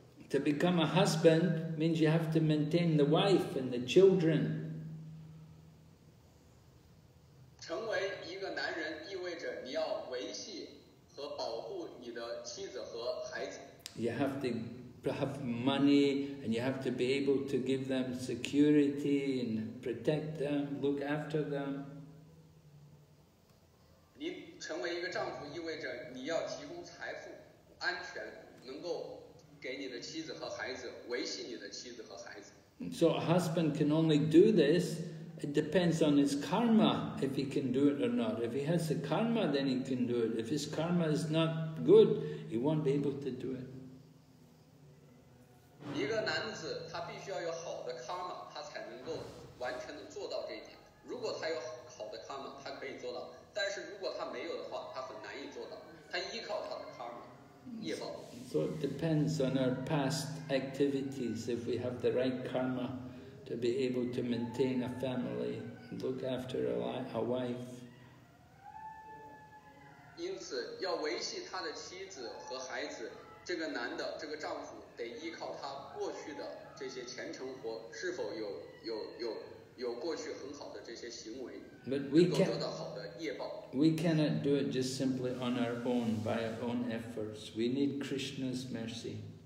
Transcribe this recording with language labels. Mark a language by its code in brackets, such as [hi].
[en] To become a husband means you have to maintain the wife and the children. [zh] 成为一个男人意味着你要维系和保护你的妻子和孩子。 [en] You have to have money and you have to be able to give them security and protect them, look after them. [zh] 你成为一个丈夫意味着你要提供财富、安全，能够给你的妻子和孩子，维系你的妻子和孩子。 [en] So a husband can only do this, it depends on his karma, if he can do it or not. If he has the karma, then he can do it. If his karma is not good, he won't be able to do it. [zh] 一个男子他必须要有好的 karma, 他才能够完全的做到这一点。如果他有好的 karma, 他可以做到，但是如果他没有的话，他很难以做到，他依靠他的 karma。 [en] So it depends on our past activities, if we have the right karma to be able to maintain a family and look after a wife. [zh] 因此要维系他的妻子和孩子，这个男的，这个丈夫得依靠他过去的这些前程活，是否有过去很好的这些行为。 [en] But we, we cannot do it just simply on our own, by our own efforts. We need Krishna's mercy.